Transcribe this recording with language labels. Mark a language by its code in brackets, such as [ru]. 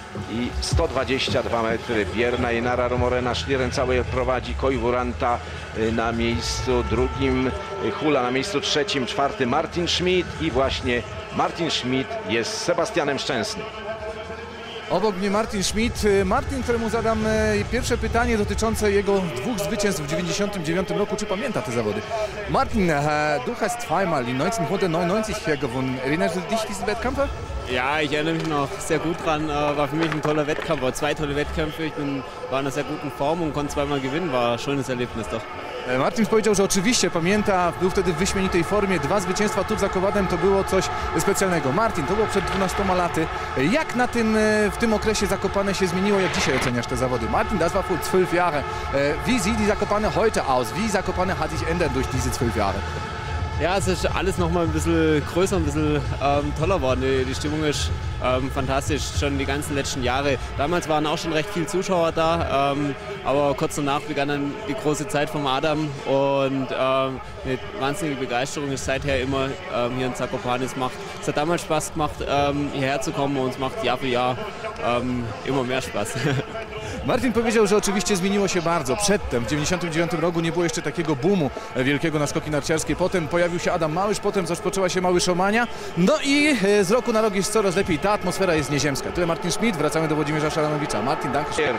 [pl] I 122 metry, Bierna i Nara Romorena, Schlieren cały prowadzi, Koivuranta na miejscu drugim, Hula na miejscu trzecim, czwarty Martin Schmidt i właśnie Martin Schmidt jest Sebastianem Szczęsnym. Obok mnie Martin Schmidt, Martin, któremu zadam pierwsze pytanie dotyczące jego dwóch zwycięstw w 99 roku, czy pamięta te zawody? [de] Martin, du hast zweimal in 1999 gewonnen, erinnerst du dich diesen Wettkampf? Ja, ich erinnere mich noch sehr gut dran. War für mich ein toller Wettkampf, war zwei tolle Wettkämpfe. Ich war in einer sehr guten Form und konnte zweimal gewinnen. War ein schönes Erlebnis doch. [pl] Martin powiedział, że oczywiście pamięta, był wtedy w wyśmienitej formie. Dwa zwycięstwa tu w Zakowadem to było coś specjalnego. Martin, to było przed 12 laty. Jak na tym, w tym okresie Zakopane się zmieniło? Jak dzisiaj oceniasz te zawody? [de] Martin, das war vor 12 Jahren. Wie sieht die Zakopane heute aus? Wie Zakopane hat sich ändert durch diese 12 Jahre? Ja, es ist alles nochmal ein bisschen größer, ein bisschen toller geworden. Die Stimmung ist fantastisch, schon die ganzen letzten Jahre. Damals waren auch schon recht viele Zuschauer da, aber kurz danach begann dann die große Zeit vom Adam und eine wahnsinnige Begeisterung ist seither immer hier in Zakopane. Es hat damals Spaß gemacht, hierher zu kommen und es macht Jahr für Jahr immer mehr Spaß. [pl] Martin powiedział, że oczywiście zmieniło się bardzo. Przedtem, w 99 roku, nie było jeszcze takiego boomu wielkiego na skoki narciarskie. Potem pojawił się Adam Małysz, potem rozpoczęła się Małysz Omania. No i z roku na rok jest coraz lepiej. Ta atmosfera jest nieziemska. Tyle Martin Schmidt, wracamy do Włodzimierza Szalanowicza. Martin, dziękuję.